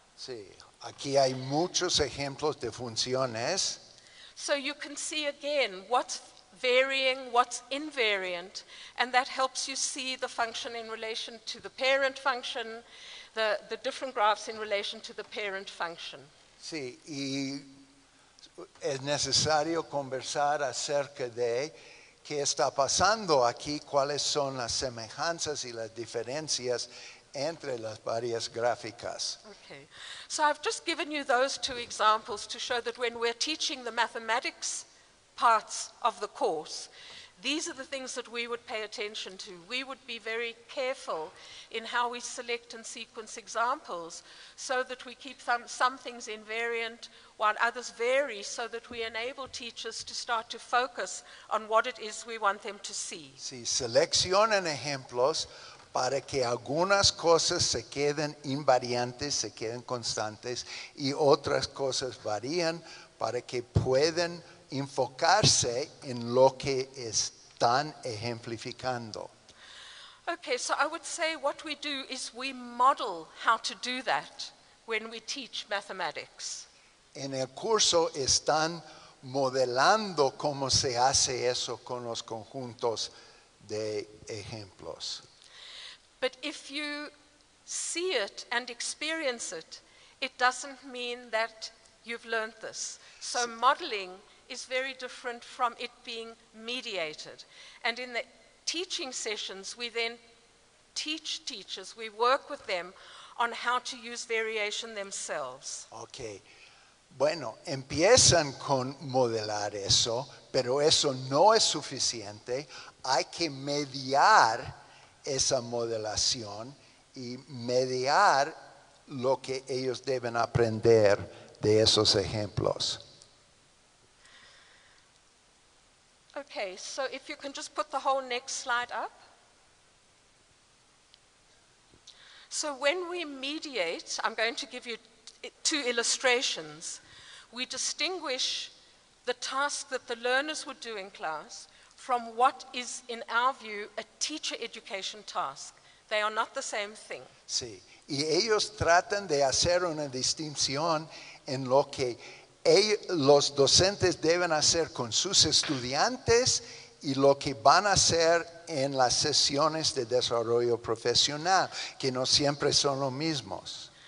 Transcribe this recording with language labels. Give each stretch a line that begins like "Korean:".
Spanish: Sí, aquí hay muchos ejemplos de funciones.
English: So you can see again what's varying, what's invariant, and that helps you see the function in relation to the parent function, the different graphs in relation to the parent function.
Spanish: Sí, y es necesario conversar acerca de qué está pasando aquí, cuáles son las semejanzas y las diferencias entre las varias gráficas.
English: Okay. So I've just given you those two examples to show that when we're teaching the mathematics parts of the course, these are the things that we would pay attention to. We would be very careful in how we select and sequence examples so that we keep some things invariant while others vary, so that we enable teachers to start to focus on what it is we want them to see.
Spanish: Sí, seleccionan ejemplos para que algunas cosas se queden invariantes, se queden constantes, y otras cosas varían para que puedan enfocarse en lo que están ejemplificando.
English: Okay, so I would say what we do is we model how to do that when we teach mathematics.
Spanish: En el curso están modelando cómo se hace eso con los conjuntos de ejemplos.
English: But if you see it and experience it, it doesn't mean that you've learned this. So modeling is very different from it being mediated. And in the teaching sessions, we then teach teachers, we work with them on how to use variation themselves. Okay.
Spanish: Bueno, empiezan con modelar eso, pero eso no es suficiente. Hay que mediar esa modelación y mediar lo que ellos deben aprender de esos ejemplos.
English: Okay, so if you can just put the whole next slide up. So when we mediate, I'm going to give you two illustrations. We distinguish the task that the learners would do in class from what is, in our view, a teacher education task. They are not the same thing.
Spanish: Sí, y ellos tratan de hacer una distinción en lo que los docentes deben hacer con sus estudiantes y lo que van a hacer en las sesiones de desarrollo profesional, que no siempre son los mismos.